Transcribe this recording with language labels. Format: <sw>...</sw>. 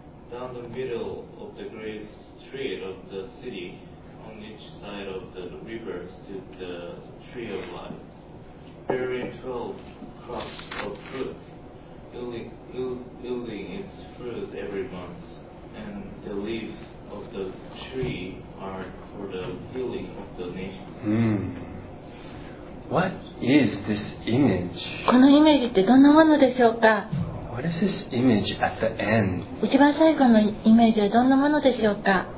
<en>Down the middle of the great street of the city, on each side of the river, stood the tree of life, bearing 12 crops of fruit, yielding its fruit every month, and the leaves of the tree are for the healing of the nation. What is this image?</en> <ja>このイメージってどんなものでしょうか?</ja> <en>What is this image at the end?</en> <ja>一番最後のイメージはどんなものでしょうか?</ja>